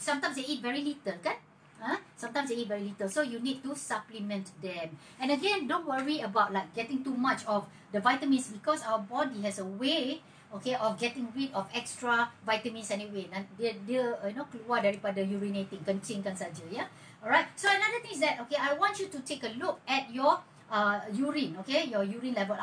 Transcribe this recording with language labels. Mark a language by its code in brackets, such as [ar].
[en] Sometimes they eat very little, kan? Sometimes they eat very little. So, you need to supplement them. And again, don't worry about like getting too much of the vitamins because our body has a way, okay, of getting rid of extra vitamins anyway. [ms] Dia keluar daripada urinating, kencingkan saja, ya. [en] Alright, so another thing is that, okay, I want you to take a look at your urine, okay, your urine level.